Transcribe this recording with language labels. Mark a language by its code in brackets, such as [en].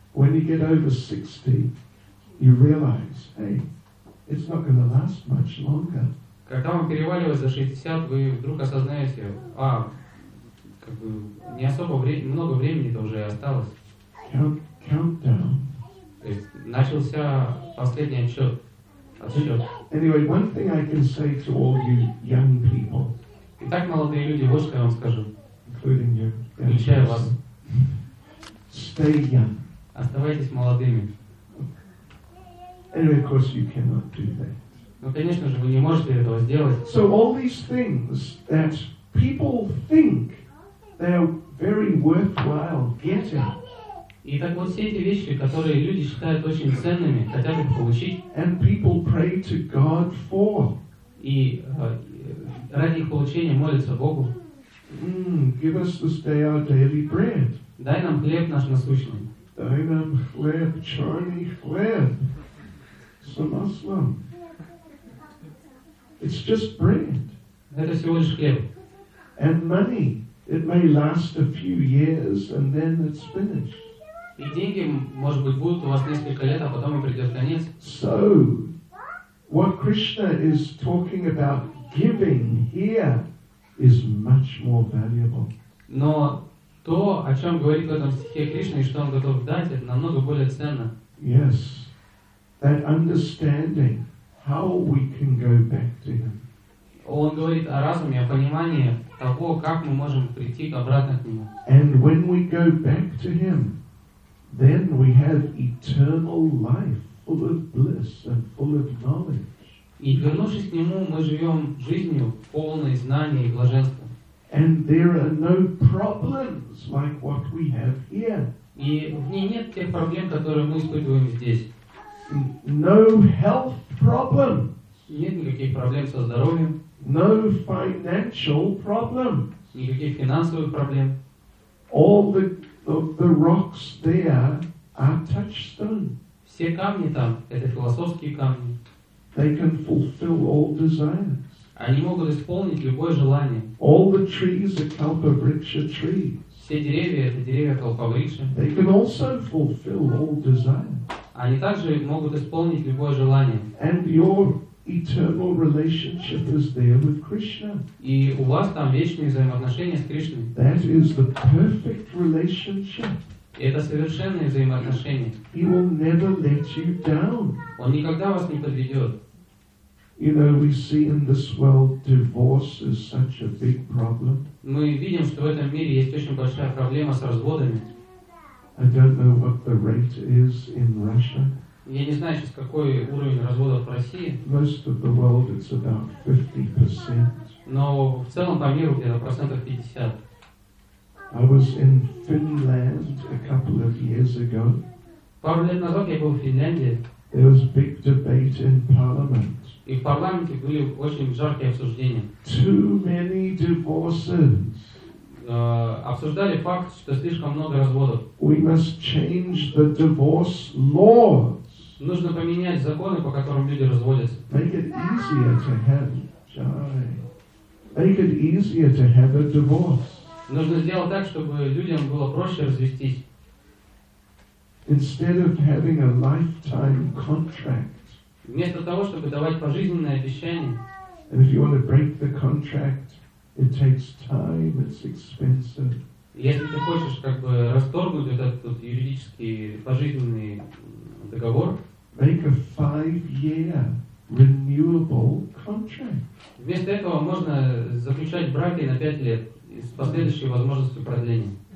[en] 60, you realize, hey, it's not going to last much longer. [ru] Когда вам переваливает за 60, вы вдруг осознаете, как бы не особо времени, много времени-то уже осталось. [en] Countdown. [ru] То есть начался последний отсчет. [en] Anyway, one thing I can say to all you young people. [ru] Итак, молодые люди, вот что я вам скажу. [en] Including you. [ru] Включая вас. [en] Stay young. [ru] Оставайтесь молодыми. [en] And of course you cannot do that. [ru] Ну, конечно же, вы не можете этого сделать. [en] So all these things that people think they're very worthwhile getting. [ru] И так вот все эти вещи, которые люди считают очень ценными, хотят их получить. [en] And people pray to God for. [ru] И ради их получения молятся Богу. [en] Give us this day our daily bread. [ru] Дай нам хлеб наш насущный. Дай нам хлеб, черный хлеб. Самослом. [en] It's just bread. [ru] Это всего лишь хлеб. [en] And money. It may last a few years and then it's finished. [ru] И деньги, может быть, будут у вас несколько лет, а потом и придет конец. [en] So, what Krishna is talking about giving here is much more valuable. [ru] Но то, о чем говорит в этом стихе Кришна, и что он готов дать, это намного более ценно. [en] Yes. That understanding how we can go back to him. [ru] Он говорит о разуме, о понимании того, как мы можем прийти обратно к нему. [en] And when we go back to him, then we have eternal life, full of bliss and full of knowledge. [ru] И вернувшись к нему, мы живем жизнью полной знания и блаженства. [en] And there are no problems like what we have here. [ru] И в ней нет тех проблем, которые мы испытываем здесь. [en] No health problem. [ru] Нет никаких проблем со здоровьем. [en] No financial problem. [ru] Никаких финансовых проблем. [en] All the rocks there are touchstone. [ru] Все камни там это философские камни. [en] They can fulfill all desires. [ru] Они могут исполнить любое желание. [en] All the trees are Kalpavriksha trees. [ru] Все деревья это деревья Калпавриксха. [en] They can also fulfill all desires. [ru] Они также могут исполнить любое желание. [en] And your eternal relationship is there with Krishna. [ru] И у вас там вечные взаимоотношения с Кришной. [en] That is the perfect relationship. [ru] Это совершенные взаимоотношения. [en] He will never let you down. [ru] Он никогда вас не подведет. [en] You know, we see in this world divorce is such a big problem. [ru] Мы видим, что в этом мире есть очень большая проблема с разводами. [en] I don't know what the rate is in Russia. [ru] Я не знаю сейчас, какой уровень разводов в России. [en] Most of the world, it's about 50%. [ru] Но в целом по миру где-то процентов 50. [en] I was in Finland a couple of years ago. [ru] Пару лет назад я был в Финляндии. [en] There was a big debate in parliament. [ru] И в парламенте были очень жаркие обсуждения. [en] Too many divorces. [ru] Обсуждали факт, что слишком много разводов. [en] We must change the divorce law. [ru] Нужно поменять законы, по которым люди разводятся. [en] Make it easier to have joy. Make it easier to have a divorce. [ru] Нужно сделать так, чтобы людям было проще развестись. [en] Instead of having a lifetime contract. [ru] Вместо того, чтобы давать пожизненное обещание. [en] And if you want to break the contract, it takes time, it's expensive. [ru] Если ты хочешь как бы расторгнуть этот вот юридический пожизненный договор, [en] make a 5-year renewable contract. [ru] Вместо этого можно заключать браки на 5 лет с последующей возможностью продления.